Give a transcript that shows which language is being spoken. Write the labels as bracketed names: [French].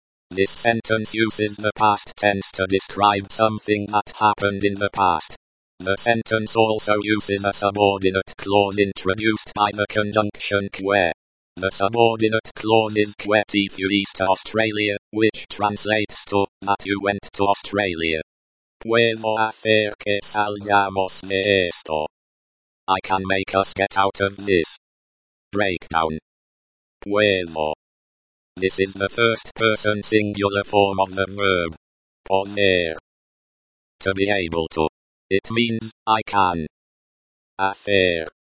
[English] This sentence uses the past tense to describe something that happened in the past. The sentence also uses a subordinate clause introduced by the conjunction que. The subordinate clause is [Spanish] que te fuiste a Australia, [English] which translates to, that you went to Australia. [Spanish] Puedo hacer que salgamos de esto. [English] I can make us get out of this. Breakdown. Puedo. This is the first person singular form of the verb. Poner. To be able to. It means, I can. Hacer.